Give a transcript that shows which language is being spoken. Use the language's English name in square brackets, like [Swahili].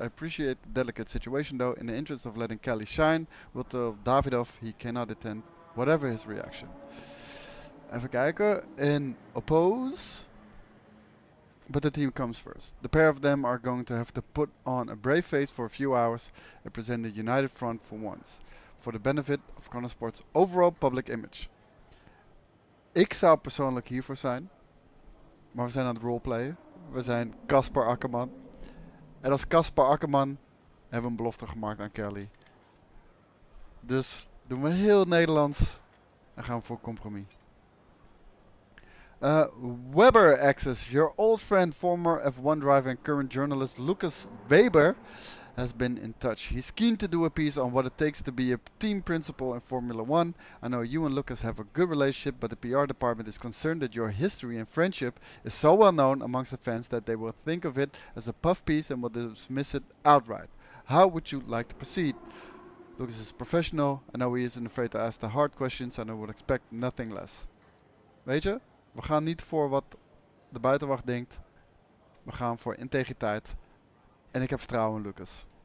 [English] I appreciate the delicate situation though. In the interest of letting Kelly shine, we'll tell Davidov he cannot attend. Whatever his reaction. [Dutch] Even kijken. [English] In oppose. But the team comes first. The pair of them are going to have to put on a brave face for a few hours and present a united front for once. For the benefit of Konnersport's overall public image. [Dutch] Ik zou persoonlijk hiervoor zijn. Maar we zijn aan het roleplayen. We zijn Casper Akkerman. En als Casper Akkerman hebben we een belofte gemaakt aan Kelly. Dus doen we heel Nederlands en gaan voor compromis. [English] Weber access. Your old friend, former F1 driver and current journalist Lucas Weber has been in touch. He's keen to do a piece on what it takes to be a team principal in Formula 1. I know you and Lucas have a good relationship, but the PR department is concerned that your history and friendship is so well known amongst the fans that they will think of it as a puff piece and will dismiss it outright. How would you like to proceed? Lucas is professional. I know he isn't afraid to ask the hard questions. And I would expect nothing less. [Dutch] Weet je, we gaan niet voor wat de buitenwacht denkt. We gaan voor integriteit. En ik heb vertrouwen in Lucas.